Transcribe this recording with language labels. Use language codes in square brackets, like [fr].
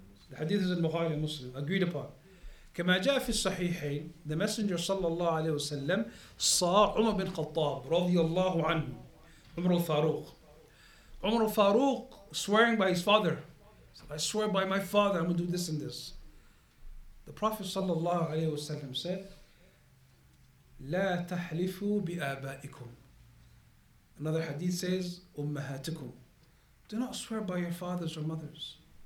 [en] The hadith is in Bukhari and Muslim, agreed upon. [ar] كما جاء في الصحيحين, [en] the messenger [ar] صلى الله عليه وسلم صار عمر بن خطاب رضي الله عنه عمر الفاروق. [en] عمر الفاروق swearing by his father. I swear by my father, I'm going to do this and this. The Prophet [ar] صلى الله عليه وسلم [en] said, [ar] لا تحلفوا بآبائكم. [en] Another hadith says, [ar] أمهاتكم. [en] Do not swear by your fathers or mothers.